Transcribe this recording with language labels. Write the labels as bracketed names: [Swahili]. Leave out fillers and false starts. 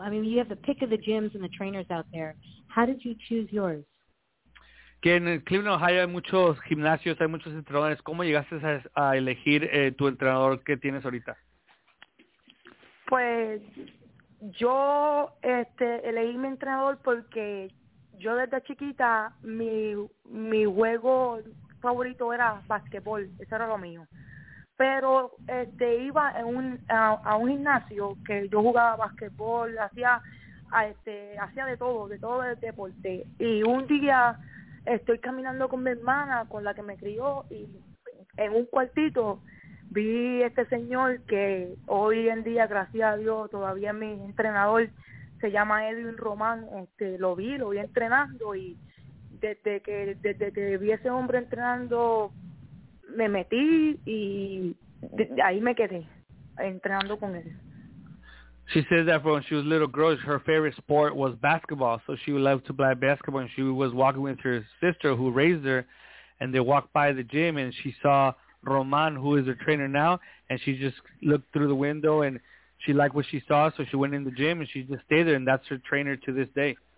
[English] I mean, you have the pick of the gyms and the trainers out there. How did you choose yours? [Spanish] Que en Cleveland, Ohio hay muchos gimnasios, hay muchos entrenadores. ¿Cómo llegaste a elegir tu entrenador que tienes ahorita? Pues yo elegí mi entrenador porque yo desde chiquita mi juego favorito era básquetbol, eso era lo mío. Pero iba a un gimnasio que yo jugaba básquetbol, hacía de todo el deporte. Y un día estoy caminando con mi hermana, con la que me crió, y en un cuartito vi este señor que hoy en día, gracias a Dios, todavía es mi entrenador, se llama Edwin Román. Lo vi entrenando, y desde que vi a ese hombre entrenando, me metí y de ahí me quedé entrenando con él. [English] She said that when she was a little girl, her favorite sport was basketball. So she loved to play basketball, and she was walking with her sister who raised her, and they walked by the gym, and she saw Roman, who is her trainer now, and she just looked through the window, and she liked what she saw, so she went in the gym, and she just stayed there, and that's her trainer to this day.